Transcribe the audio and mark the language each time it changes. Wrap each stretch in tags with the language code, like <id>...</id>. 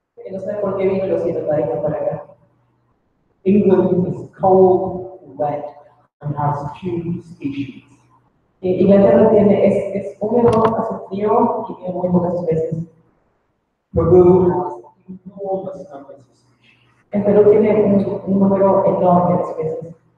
<es>No sé por qué vino el osito paddington para acá.</es> <en>England is cold, wet, and has huge species.</en> <es>Inglaterra tiene es húmedo, hace frío y tiene muy pocas especies.</es> <en>Peru has enormous numbers of species.</en> <es>Perú tiene un número enorme de especies.</es>